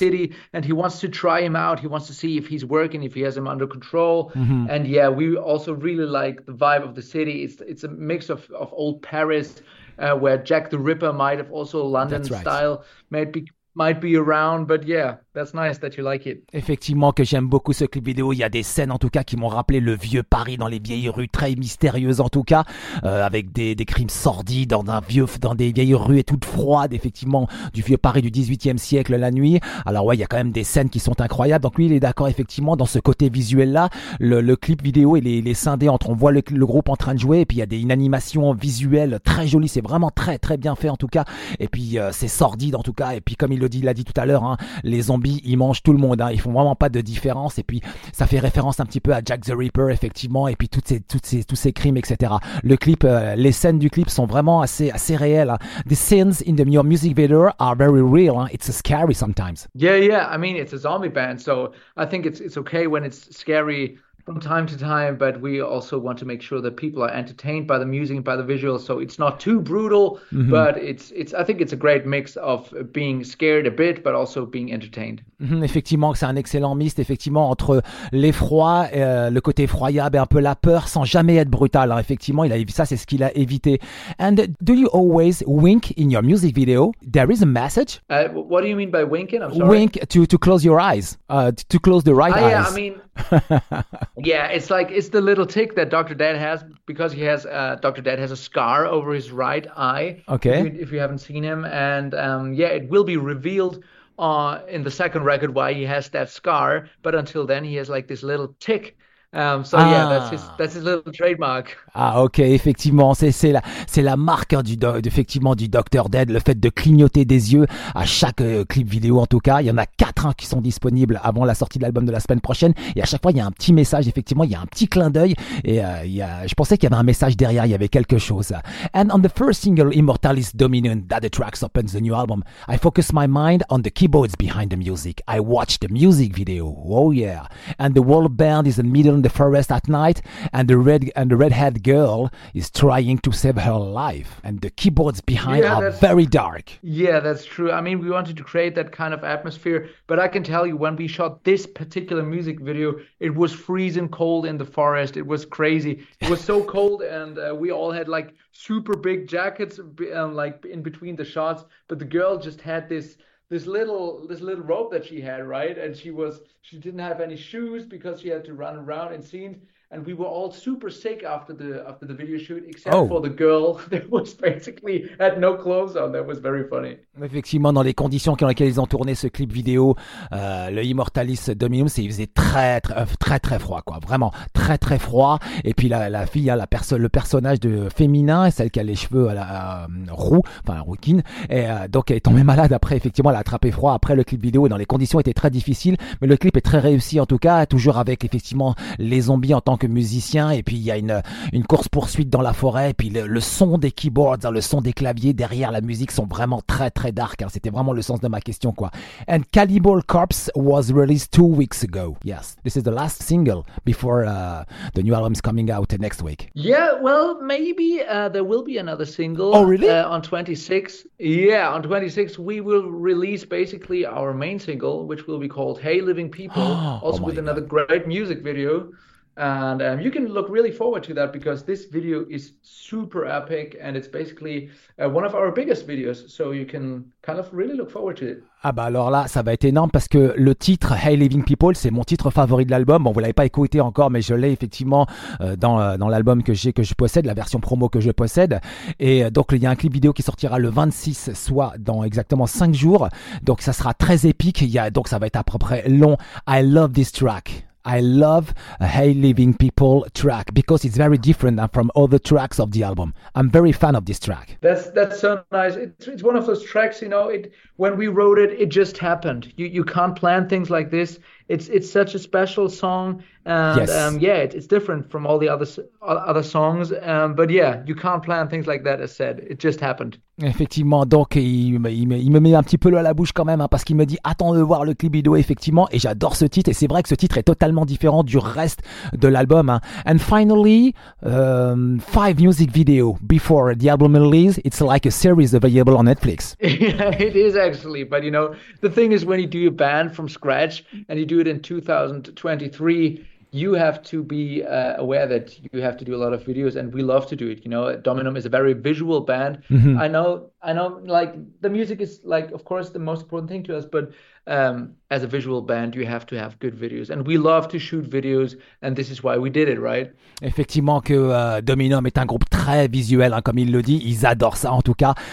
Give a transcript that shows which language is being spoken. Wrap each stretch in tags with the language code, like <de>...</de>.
<en>city and he wants to try him out. He wants to see if he's working, if he has him under control. And yeah, we also really like the vibe of the city. It's a mix of old Paris, where Jack the Ripper might have also London That's right. style, might be might be around, but yeah, that's nice that you like it.</en> <fr>Effectivement que j'aime beaucoup ce clip vidéo. Il y a des scènes en tout cas qui m'ont rappelé le vieux Paris dans les vieilles rues, très mystérieuses en tout cas, avec des crimes sordides dans des vieilles rues et toutes froides, effectivement, du vieux Paris du 18e siècle la nuit. Alors ouais, il y a quand même des scènes qui sont incroyables. Donc lui, il est d'accord effectivement dans ce côté visuel là. Le clip vidéo et les scindés entre, on voit le groupe en train de jouer et puis il y a une animation visuelle très jolie. C'est vraiment très très bien fait en tout cas. Et puis c'est sordide en tout cas. Et puis comme il l'a dit tout à l'heure, hein, les zombies, ils mangent tout le monde, hein. Ils font vraiment pas de différence. Et puis ça fait référence un petit peu à Jack the Ripper, effectivement, et puis tous ces crimes, etc. Le clip, les scènes du clip sont vraiment assez réelles, hein.</fr> <en>The scenes in the new music video are very real, hein. It's scary sometimes. Yeah, I mean, it's a zombie band, so I think it's okay when it's scary from time to time, but we also want to make sure that people are entertained by the music, by the visuals, so it's not too brutal, mm-hmm. but it's I think it's a great mix of being scared a bit, but also being entertained.</en> <fr>Mm-hmm, effectivement, c'est un excellent mixte, effectivement, entre l'effroi, le côté effroyable et un peu la peur, sans jamais être brutal, hein. Effectivement, ça c'est ce qu'il a évité.</fr> <en>And do you always wink in your music video? There is a message. What do you mean by winking? I'm sorry. Wink to close your eyes, to close the right eyes. Yeah, I mean... Yeah, it's like it's the little tick that Dr. Dead has, because he has Dr. Dead has a scar over his right eye. Okay. If you haven't seen him, and yeah, it will be revealed in the second record why he has that scar. But until then, he has like this little tick. That's his little trademark.</en> <fr>Ah ok, effectivement, c'est la marque, hein, effectivement du Dr. Dead, le fait de clignoter des yeux à chaque clip vidéo en tout cas. Il y en a 4, hein, qui sont disponibles avant la sortie de l'album de la semaine prochaine, et à chaque fois il y a un petit message, effectivement il y a un petit clin d'œil, et je pensais qu'il y avait un message derrière, il y avait quelque chose.</fr> <en>And on the first single, Immortalis Dominion, that the tracks opens the new album, I focus my mind on the keyboards behind the music, I watch the music video, oh yeah, and the world band is in middle in the forest at night, and the redhead girl is trying to save her life, and the keyboards behind are very dark. Yeah, that's true. I mean, we wanted to create that kind of atmosphere, but I can tell you, when we shot this particular music video, it was freezing cold in the forest. It was crazy. It was so cold, and we all had like super big jackets, like in between the shots. But the girl just had this little rope that she had, right? And she didn't have any shoes because she had to run around in scenes. And we were all super sick after the video shoot, except for the girl that was basically had no clothes on. That was very funny.</en> <fr>Effectivement, dans les conditions dans lesquelles ils ont tourné ce clip vidéo, le Immortalis Dominum, il faisait très, très très très froid, quoi. Vraiment très très froid. Et puis la fille, hein, le personnage de féminin, celle qui a les cheveux roux, enfin rouquine, et donc elle est tombée malade après. Effectivement, elle a attrapé froid après le clip vidéo, et dans les conditions étaient très difficiles. Mais le clip est très réussi en tout cas, toujours avec effectivement les zombies en tant que musicien, et puis il y a une course-poursuite dans la forêt, et puis le son des keyboards, hein, le son des claviers derrière la musique sont vraiment très très dark, hein. C'était vraiment le sens de ma question, quoi.</fr> <en>And Cannibal Corpse was released 2 weeks ago. Yes, this is the last single before the new album is coming out next week. Yeah, well, maybe there will be another single. Oh, really? On 26th. Yeah, on 26th we will release basically our main single, which will be called Hey Living People, also with another great music video. And you can look really forward to that, because this video is super epic, and it's basically one of our biggest videos, so you can kind of really look forward to it.</en> <fr>Ah bah alors là, ça va être énorme, parce que le titre Hey Living People, c'est mon titre favori de l'album. Bon, vous l'avez pas écouté encore, mais je l'ai effectivement dans l'album que je possède, la version promo que je possède. Et donc il y a un clip vidéo qui sortira le 26, soit dans exactement 5 jours. Donc ça sera très épique, donc ça va être à peu près long.</fr> <en>I love this track. I love a Hey Living People track, because it's very different from other tracks of the album. I'm very fan of this track. That's so nice. It's one of those tracks, you know, when we wrote it, it just happened. You can't plan things like this. It's such a special song, and yes. It's different from all the other songs, but yeah, you can't plan things like that, as said, it just happened.</en> <fr>Effectivement, donc il me met un petit peu l'eau à la bouche quand même, hein, parce qu'il me dit attends de voir le clip vidéo, effectivement, et j'adore ce titre, et c'est vrai que ce titre est totalement différent du reste de l'album, hein.</fr> <en>And finally, 5 music videos before the album release, it's like a series available on Netflix. Yeah, it is actually, but you know, the thing is, when you do a band from scratch, and you do it in 2023, you have to be aware that you have to do a lot of videos, and we love to do it. You know, Dominum is a very visual band. Mm-hmm. I know I know, like, the music is, like, of course, the most important thing to us, but as a visual band, you have to have good videos. And we love to shoot videos, and this is why we did it, right?</en> <fr>Effectivement que Dominum est un groupe très visuel, hein, comme il le dit, ils adorent ça en tout cas.</fr>